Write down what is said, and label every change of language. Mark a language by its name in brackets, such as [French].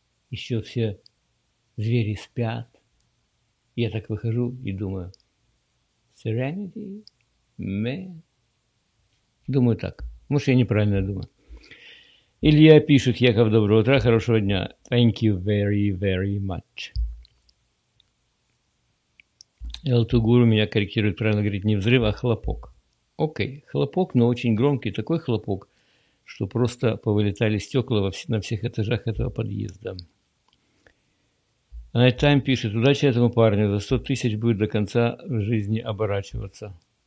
[Russian] Еще все звери спят. Я так выхожу и думаю: Serenity? [English] Me? [Russian] Думаю так. Может, я неправильно думаю. Илья пишет: Яков, доброе утро, хорошего дня. [English] Thank you very, very much. [Russian] L2Guru меня корректирует, правильно говорит, не взрыв, а хлопок. Окей, хлопок, но очень громкий, такой хлопок, что просто повылетали стекла на всех этажах этого подъезда. Найтайм пишет: удачи этому парню, за 100 тысяч будет до конца жизни оборачиваться.